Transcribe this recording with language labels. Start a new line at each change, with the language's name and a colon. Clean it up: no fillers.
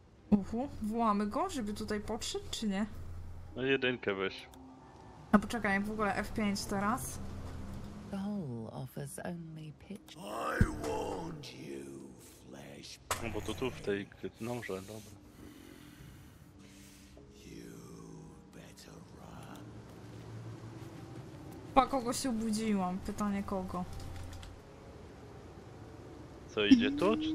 Polish: Uhu, wołamy go, żeby tutaj podszedł, czy nie? No jedynkę weź. No poczekaj, w ogóle F5 teraz.
English: The hole offers only pitch. I want you, flesh.
Polish: No bo to tu w tej noże, dobra.
English: You better run.
Polish: Pa, kogo się obudziłam? Pytanie kogo? Co idzie tu?